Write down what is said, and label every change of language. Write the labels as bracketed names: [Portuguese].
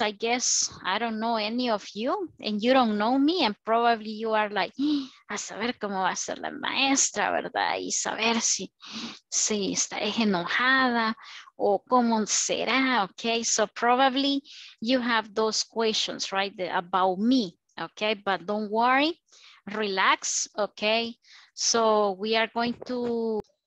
[English] I guess I don't know any of you, and you don't know me, and probably you are like, [Spanish] a saber cómo va a ser la maestra, ¿verdad? Y saber si está enojada o cómo será, okay? [English] So probably you have those questions, right, about me, okay? But don't worry. Relax, okay? So we are going to...